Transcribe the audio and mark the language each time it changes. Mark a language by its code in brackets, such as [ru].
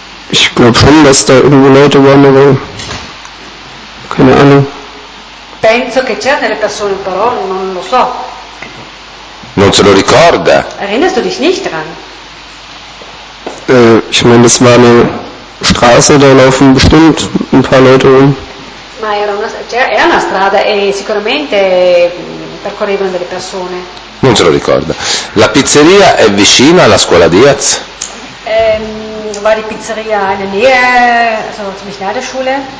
[de] Ich glaube schon, dass da irgendwo Leute waren, aber keine Ahnung. [it] Penso che c'erano delle persone, però non lo so. Non se lo ricorda. [de] Erinnerst du dich nicht dran? Ich meine, das war eine Straße, da laufen bestimmt ein paar Leute rum. [it] Ma era una strada e sicuramente percorrevano delle persone. Non se lo ricorda. La pizzeria è vicina alla scuola Diaz? [de] War die Pizzeria in der Nähe, also ziemlich nahe der Schule?